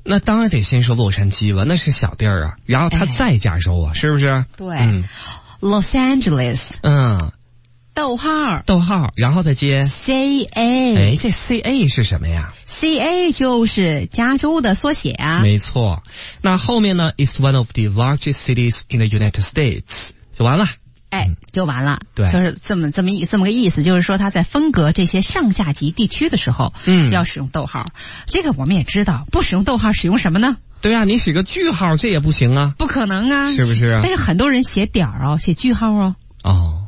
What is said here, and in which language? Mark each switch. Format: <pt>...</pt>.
<zh>那当然得先说洛杉矶了，那是小地儿啊。然后它在加州啊，哎、是不是？对、，Los Angeles。逗号，逗号，然后再接 CA。哎，这 CA 是什么呀？CA 就是加州的缩写啊。没错，那后面呢</zh> <en>？Is one of the largest cities in the United States，</en> <zh>就完了。就完了。对，就是这么个意思，就是说他在分隔这些上下级地区的时候，要使用逗号。这个我们也知道，不使用逗号，使用什么呢？对啊，你使个句号，这也不行啊。不可能啊，是不是？但是很多人写点儿哦，写句号哦。哦，</zh>